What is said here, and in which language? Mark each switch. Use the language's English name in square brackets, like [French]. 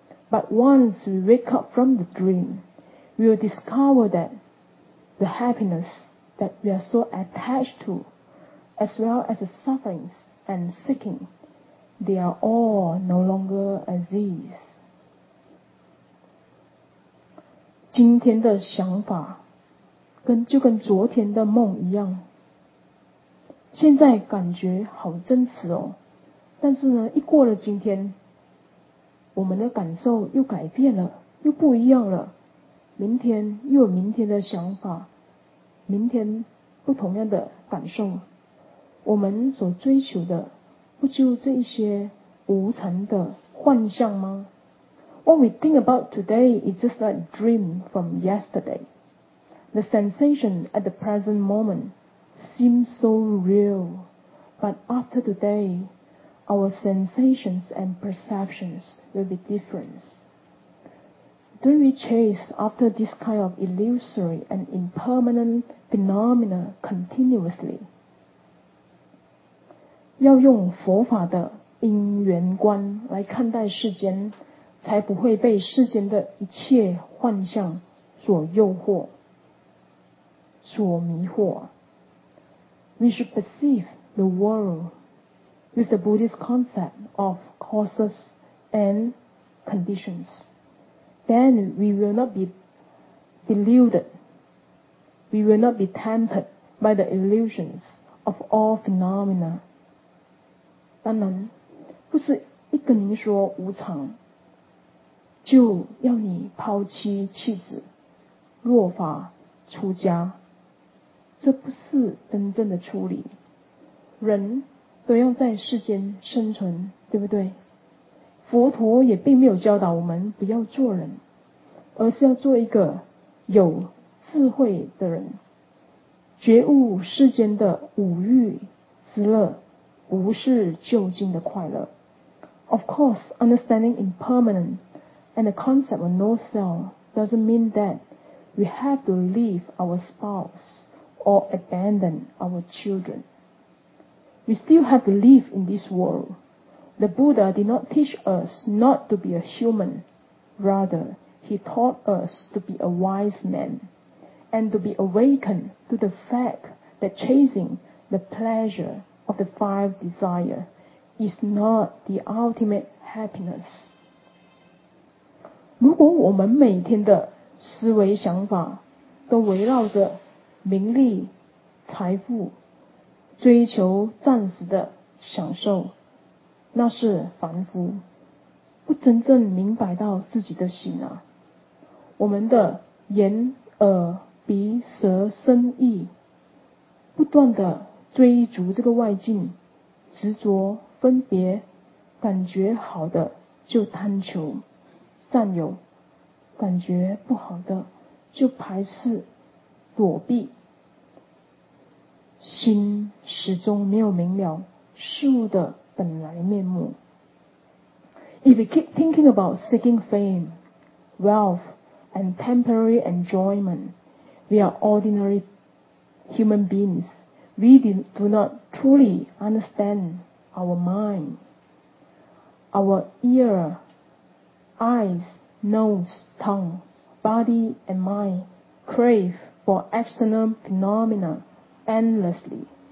[English] But once we wake up from the dream, we will discover that the happiness that we are so attached to, as well as the sufferings and seeking,They are all no longer exist. [Chinese] 今天的想法就跟昨天的梦一样，现在感觉好真实哦，但是呢，一过了今天，我们的感受又改变了，又不一样了。明天又有明天的想法，明天不同样的感受，我们所追求的不就这一些无常的幻象吗？ [English] What we think about today is just like a dream from yesterday. The sensation at the present moment seems so real, but after today, our sensations and perceptions will be different. Don't we chase after this kind of illusory and impermanent phenomena continuously? [Chinese] 要用佛法的因缘观来看待世间，才不会被世间的一切幻象所诱惑、所迷惑。 [English] We should perceive the world with the Buddhist concept of causes and conditions. Then we will not be deluded. We will not be tempted by the illusions of all phenomena. [Chinese] 当然不是一跟您说无常就要你抛妻弃子落发出家，这不是真正的处理。人都要在世间生存，对不对？佛陀也并没有教导我们不要做人，而是要做一个有智慧的人，觉悟世间的五欲之乐，无事究竟的快乐。 [English] Of course, understanding impermanent and the concept of no self doesn't mean that we have to leave our spouse or abandon our children. We still have to live in this world. The Buddha did not teach us not to be a human. Rather, he taught us to be a wise man and to be awakened to the fact that chasing the pleasureof the five desire is not the ultimate happiness. [Chinese] 如果我们每天的思维想法都围绕着名利、财富、追求暂时的享受，那是凡夫，不真正明白到自己的心啊。我们的眼、耳、鼻、舌、身、意不断的追逐这个外境，执着分别，感觉好的就贪求占有，感觉不好的就排斥躲避，心始终没有明了事物的本来面目。 [English] If we keep thinking about seeking fame, wealth, and temporary enjoyment, we are ordinary human beingsWe do not truly understand our mind. Our ear, eyes, nose, tongue, body and mind crave for external phenomena endlessly.